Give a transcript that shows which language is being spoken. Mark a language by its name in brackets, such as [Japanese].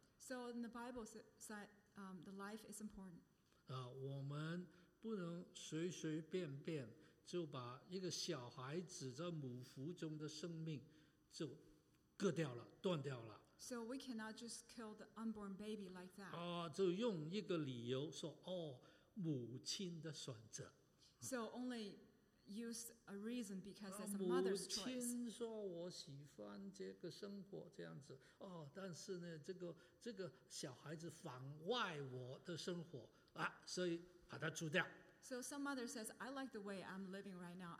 [English] So in the Bible said, the life is important. [Chinese] 我们不能随随便便就把一个小孩子在母腹中的生命就割掉了，断掉了。 [English] So we cannot just kill the unborn baby like that. [Chinese] 就用一个理由说，哦，母亲的选择。 [English] So only. Use a reason because it's a mother's choice. [Chinese] 母亲说我喜欢这个生活这样子哦，但是呢，这个小孩子妨碍我的生活啊，所以把它除掉。 [English] So some mother says, I like the way I'm living right now.